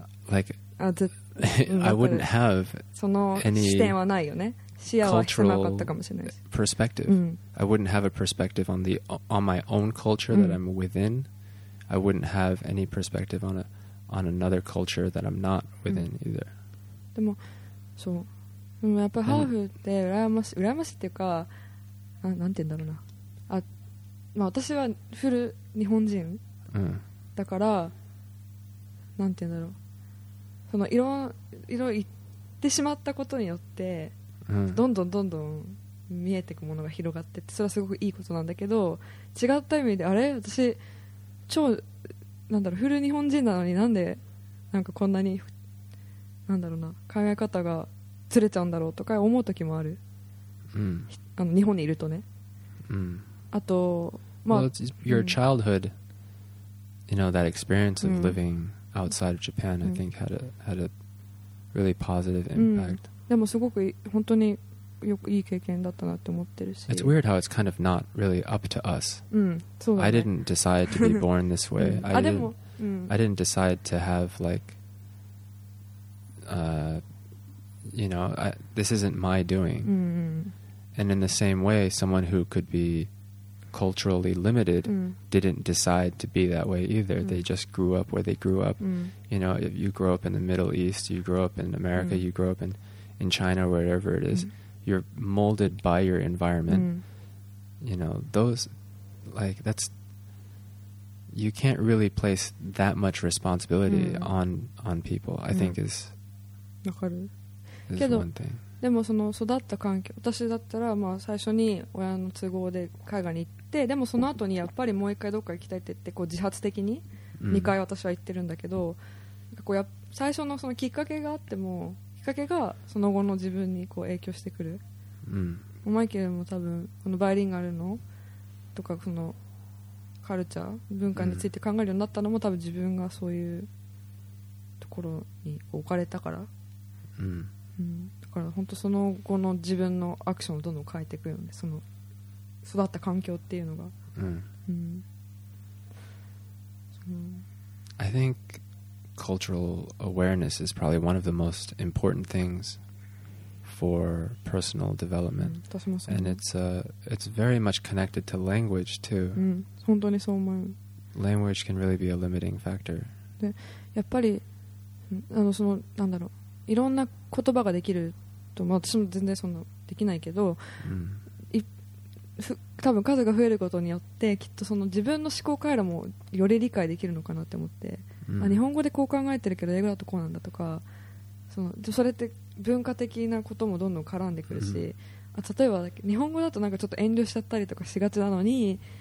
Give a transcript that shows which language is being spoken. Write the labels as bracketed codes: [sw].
[en] like I wouldn't have any cultural perspective、mm. I wouldn't have a perspective on my own culture、mm. that I'm within. I wouldn't have any perspective on another culture that I'm not within、うん、either. [ja] でもそうでもやっぱハーフって羨ましいっていうかなんて言うんだろうなあ、まあ、私はフル日本人、うん、だからなんて言うんだろうそのいろ行ってしまったことによって、うん、どんどん見えてくものが広がってってそれはすごくいいことなんだけど違った意味であれ私超なんだろうフル日本人なのになんでなんかこんなになんだろうな考え方がずれちゃうんだろうとか思う時もある、 mm. あの日本にいるとね、 mm. あとまあ、 [en] well, your childhood、mm. you know that experience of、mm. living outside of Japan、mm. I think had a really positive impact、 mm. [ja] でもすごく本当によくいい経験だったなって思ってるし [en] It's weird how it's kind of not really up to us、 [ja] うんそうだね、 [en] I didn't decide to be born this way 、 [ja] うん、あでも、うん、 [en] I didn't decide to have like you know this isn't my doing、 [ja] うんうん、 [en] and in the same way someone who could be culturally limited、うん、didn't decide to be that way either、うん、they just grew up where they grew up、 [ja] うん、 [en] you know if you grow up in the Middle East you grow up in America、うん、you grow up in China wherever it is、うんYou're molded by your environment.、Mm. You know, those, like, that's, you can't really place that much responsibility、mm. on people, I、mm. think is, is one thing. [ja] でもその育った環境、私だったらまあ最初に親の都合で海外に行って、でもその後にやっぱりもう一回どっか行きたいって言って、こう自発的に2回私は行ってるんだけど、mm. こうや最初のそのきっかけがあっても、きっかけがその後の自分にこう影響してくる、うん、マイケルも多分このバイリンガルのとかそのカルチャー文化について考えるようになったのも多分自分がそういうところに置かれたから、うんうん、だから本当その後の自分のアクションをどんどん変えていくよねその育った環境っていうのが、うんうん、 [en] I thinkCultural awareness is probably one of the most important things for personal development、 [ja] うん、 [en] and it's very much connected to language too、 [ja] うん、本当にそう思う [en] language can really be a limiting factor [ja] でやっぱりあのそのなんだろういろんな言葉ができると、まあ、私も全然そんなできないけど、うん、多分数が増えることによってきっとその自分の思考回路もより理解できるのかなって思ってあ日本語でこう考えてるけど英語だとこうなんだとか それって文化的なこともどんどん絡んでくるし、うん、例えば日本語だとなんかちょっと遠慮しちゃったりとかしがちなのに